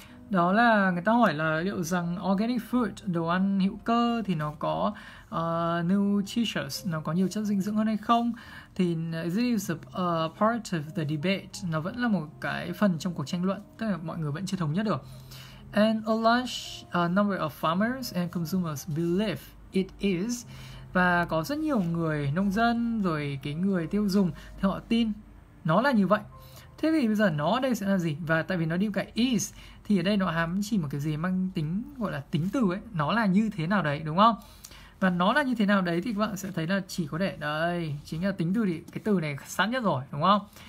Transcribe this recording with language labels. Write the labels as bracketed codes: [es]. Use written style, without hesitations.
[vi] Đó là người ta hỏi là liệu rằng organic food, đồ ăn hữu cơ thì nó có nutritious, nó có nhiều chất dinh dưỡng hơn hay không? Thì [en] this is a part of the debate, [vi] nó vẫn là một cái phần trong cuộc tranh luận, tức là mọi người vẫn chưa thống nhất được. [en] And a large number of farmers and consumers believe it is. [vi] Và có rất nhiều người nông dân rồi cái người tiêu dùng thì họ tin nó là như vậy. Thế thì bây giờ nó ở đây sẽ là gì? Và tại vì nó đi cả is thì ở đây nó hàm chỉ một cái gì mang tính gọi là tính từ ấy, nó là như thế nào đấy đúng không? Và nó là như thế nào đấy thì các bạn sẽ thấy là chỉ có thể đây chính là tính từ, thì cái từ này sẵn nhất rồi đúng không?